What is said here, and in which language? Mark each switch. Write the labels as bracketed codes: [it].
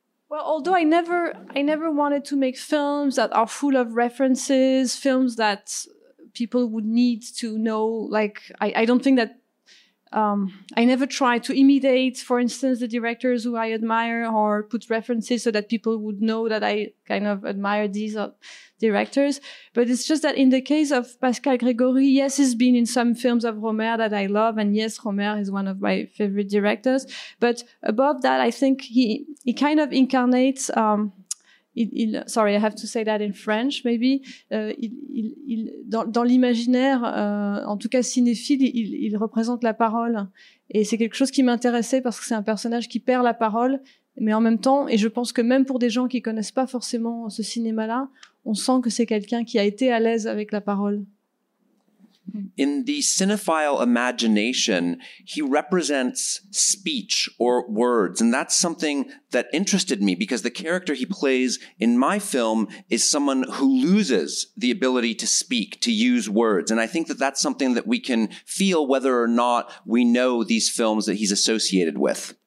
[en] Well, although I never wanted to make films that are full of references, films that people would need to know, like I don't think that I never tried to imitate, for instance, the directors who I admire, or put references so that people would know that I kind of admire these directors. But it's just that in the case of Pascal Grégory, yes, he's been in some films of Romer that I love, and yes, Romer is one of my favorite directors. But above that, I think he kind of incarnates. I have to say that in French, maybe. [fr] Dans l'imaginaire, en tout cas cinéphile, il représente la parole. Et c'est quelque chose qui m'intéressait parce que c'est un personnage qui perd la parole. Mais en même temps, et je pense que même pour des gens qui ne connaissent pas forcément ce cinéma-là, on sent que c'est quelqu'un qui a été à l'aise avec la parole. [en] In the cinephile imagination, he represents speech or words. And that's something that interested me, because the character he plays in my film is someone who loses the ability to speak, to use words. And I think that that's something that we can feel whether or not we know these films that he's associated with.